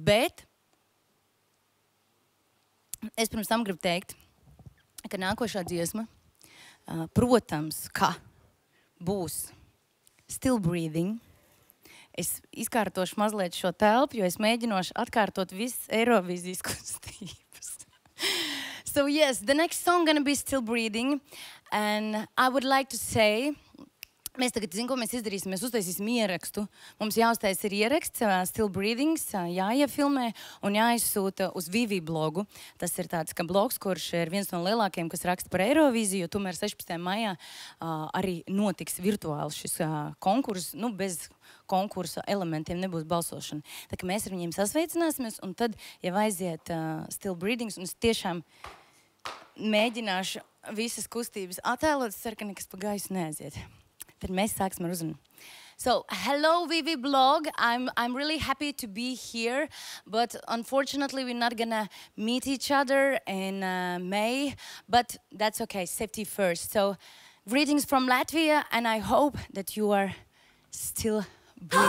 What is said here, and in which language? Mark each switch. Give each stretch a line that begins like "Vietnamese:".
Latvian: Bet es pirms tam gribu teikt, ka nākošā dziesma, protams, ka būs still breathing. Es izkārtošu mazliet šo telpu, jo es mēģinošu atkārtot visu Eirovizijas kustības.
English: So yes, the next song gonna be still breathing. And I would like to say,
Latvian: mēs tagad zinām, ko mēs izdarīsim. Mēs uztaisīsim ierakstu. Mums jāuztais ir ieraksts, still breathings, jāiefilmē un jāizsūta uz Vivi blogu. Tas ir tāds, ka blogs, kurš ir viens no lielākajiem, kas raksta par Eiroviziju, jo tomēr 16. maijā arī notiks virtuāli šis konkurss. Nu, bez konkursa elementiem nebūs balsošana. Tā ka mēs ar viņiem sasveicināsimies, un tad, ja vaiziet still breathings, un es tiešām mēģināšu visas kustības attēlot, es ceru, ka nekas pa gaisu neaiziet. Tad mēs sāksim ar uzrunu.
English: So, hello Vivi blog. I'm really happy to be here, but unfortunately we're not gonna meet each other in May, but that's okay, safety first. So, greetings from Latvia, and I hope that you are still breathing.